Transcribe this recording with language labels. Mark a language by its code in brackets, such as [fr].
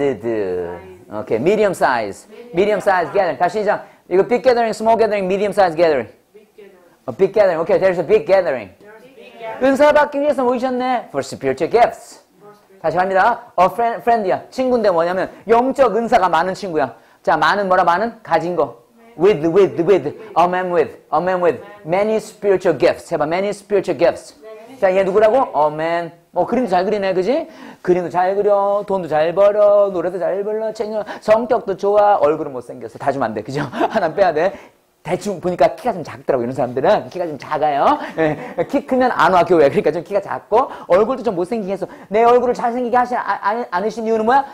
[en] Okay, medium size. medium size gathering. [ko] 다시 시작. [en] 이거 big gathering, small gathering, medium size gathering. A big gathering. Okay, there's a big gathering. [ko] 은사 받기 위해서 모이셨네. [en] For spiritual gifts. [ko] 다시 갑니다. [en] A friend이야. [ko] 친구인데 뭐냐면, 영적 은사가 많은 친구야. 자, 많은 뭐라 많은? 가진 거. [en] With, a man with, a man with, many spiritual gifts. 해봐, many spiritual gifts. 자, [ko] 얘 누구라고? [en] A man. [ko] 그림도 잘 그리네, 그지? 그림도 잘 그려, 돈도 잘 벌어, 노래도 잘 불러, 챙겨, 성격도 좋아, 얼굴은 못생겨서 다 주면 안 돼, 그죠? 하나 빼야 돼. 대충 보니까 키가 좀 작더라고, 이런 사람들은. 키가 좀 작아요. 예, 키 크면 안 와, 교회. 그러니까 좀 키가 작고, 얼굴도 좀 못생기게 해서, 내 얼굴을 잘생기게 하신, 않으신 이유는 뭐야?